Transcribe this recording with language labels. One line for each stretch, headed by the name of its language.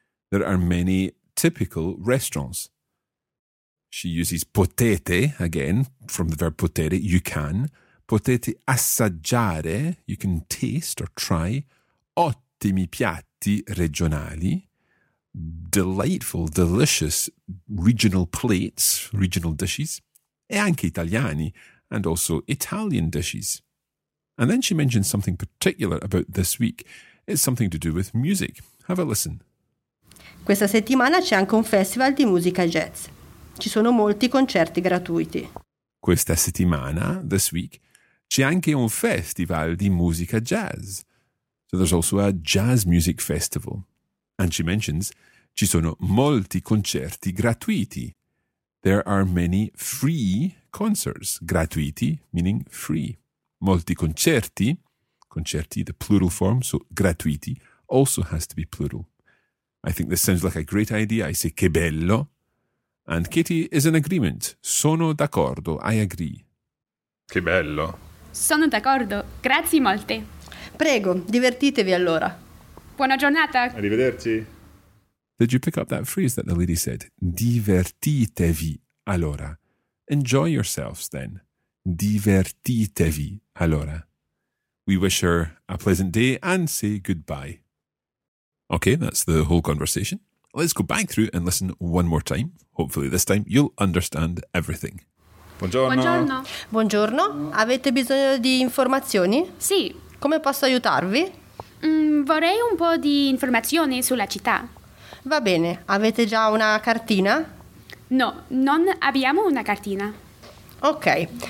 English: There are many typical restaurants. She uses potete again, from the verb potere, you can.
Italian: Potete assaggiare,
English: you can taste or try.
Italian: Ottimi piatti regionali.
English: Delightful, delicious regional plates, regional dishes.
Italian: E anche italiani,
English: and also Italian dishes. And then she mentions something particular about this week. It's something to do with music. Have a listen.
Italian: Questa settimana c'è anche un festival di musica jazz. Ci sono molti concerti gratuiti. Questa settimana,
English: this week,
Italian: c'è anche un festival di musica jazz.
English: So there's also a jazz music festival. And she mentions,
Italian: ci sono molti concerti gratuiti.
English: There are many free concerts. Gratuiti, meaning free. Molti concerti, concerti, the plural form, so gratuiti, also has to be plural. I think this sounds like a great idea. I say,
Italian: che bello.
English: And Katie is in agreement.
Italian: Sono d'accordo,
English: I agree.
Italian: Che bello. Sono d'accordo, grazie molte. Prego, divertitevi allora. Buona giornata. Arrivederci.
English: Did you pick up that phrase that the lady said?
Italian: Divertitevi allora.
English: Enjoy yourselves then.
Italian: Divertitevi allora.
English: We wish her a pleasant day and say goodbye. Okay, that's the whole conversation. Let's go back through and listen one more time. Hopefully this time you'll understand everything.
Italian: Buongiorno. Buongiorno. Buongiorno. Avete bisogno di informazioni? Sì. Come posso aiutarvi? Vorrei un po' di informazioni sulla città. Va bene. Avete già una cartina? No, non abbiamo una cartina. Ok.